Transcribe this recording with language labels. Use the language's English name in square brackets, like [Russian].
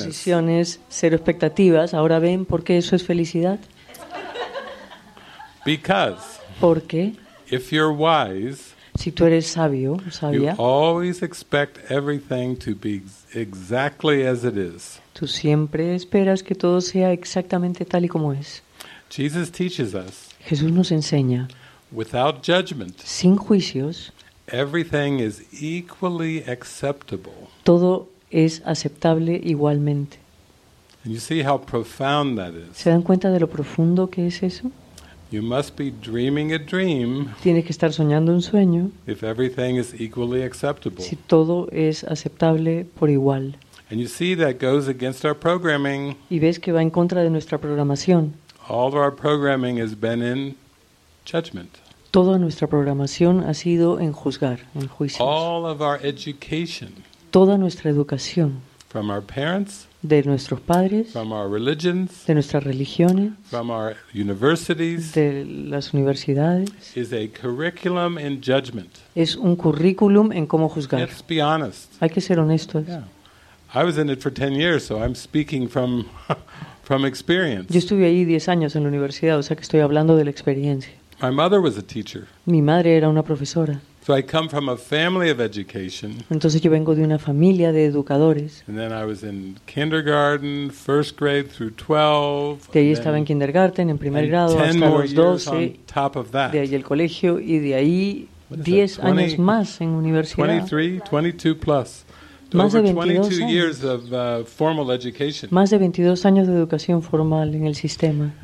[Spanish] Cero suposiciones, cero expectativas. Ahora ven por qué eso es felicidad. [English] Because. [Spanish] ¿Por qué? [English] If you're wise. [Spanish] Si tú eres sabio, sabia. [English] You always expect everything to be exactly as it is. [Spanish] Tú siempre esperas que todo sea exactamente tal y como es. [English] Jesus teaches us. [Spanish] Jesús nos enseña. [English] Without judgment. [Spanish] Sin juicios. [English] Everything is equally acceptable. [Spanish] Todo es aceptable igualmente. [English] And you see how profound that is. [Spanish] ¿Se dan cuenta de lo profundo que es eso? [English] You must be dreaming a dream. [Spanish] Tienes que estar soñando un sueño. [English] If everything is equally acceptable. [Spanish] Si todo es aceptable por igual. [English] And you see that goes against our programming. [Spanish] Y ves que va en contra de nuestra programación. [English] All of our programming has been in judgment. [Spanish] Toda nuestra programación ha sido en juzgar, en juicios. [English] All of our education, [Spanish] toda nuestra educación. [English] From our parents, [Spanish] de nuestros padres. [English] From our religions, [Spanish] de nuestras religiones. [English] From our universities, [Spanish] de las universidades. [English] Is a curriculum in judgment. [Spanish] Es un currículum en cómo juzgar. [English] Let's be honest. [Spanish] Hay que ser honestos. [English] Yeah. I was in it for 10 years, so I'm speaking from experience. [Spanish] Yo estuve ahí 10 años en la universidad, o sea que estoy hablando de la experiencia. [English] My mother was a teacher. [Spanish] Mi madre era una profesora. [English] So I come from a family of education. [Spanish] Entonces yo vengo de una familia de educadores. [English] And then I was in kindergarten, first grade through 12. [Spanish] De ahí estaba en kindergarten, en primer grado, hasta los 12. [English] On top of that. [Spanish] De ahí el colegio y de ahí 10 años más en universidad. [English] 23, 22 plus. [Spanish] Más de 22 [English] years of formal education. [Spanish] Más de 22 años de educación formal en el sistema.